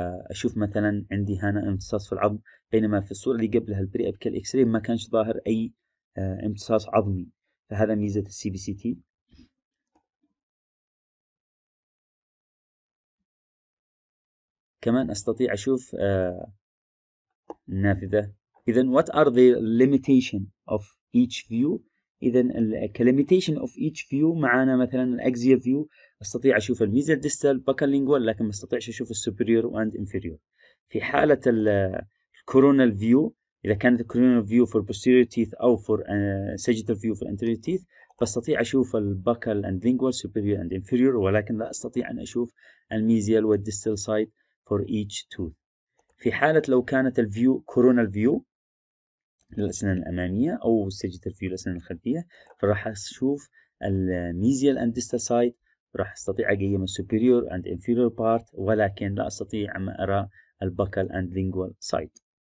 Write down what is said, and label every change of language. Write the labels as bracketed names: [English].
[Arabic] اشوف مثلا عندي هنا امتصاص في العظم، بينما في الصوره اللي قبلها البري ابيكال اكس ري ما كانش ظاهر اي امتصاص عظمي، فهذا ميزة الـ CBCT. كمان أستطيع أشوف النافذة. [English] إذن what are the limitation of each view؟ إذن the limitation of each view معانا مثلا الـ axial view [Arabic] أستطيع أشوف الميزة [English] distal buccal lingual، [Arabic] لكن ما أستطيعش أشوف الـ [English] superior and inferior. [Arabic] في حالة الـ coronal view إذا كانت [English] coronal view for posterior teeth [Arabic] أو [English] for sagittal view for anterior teeth، [Arabic] فأستطيع أشوف البكال and [English] lingual superior and inferior، [Arabic] ولكن لا أستطيع أن أشوف الميزيال والديستال سايد [English] for each tooth. [Arabic] في حالة لو كانت الفيو coronal view للأسنان الأمامية أو sagittal view للأسنان الخلفية، فراح أشوف الميزيال and distal side، راح أستطيع أقيم [English] superior and inferior part، [Arabic] ولكن لا أستطيع أن أرى البكال and lingual side.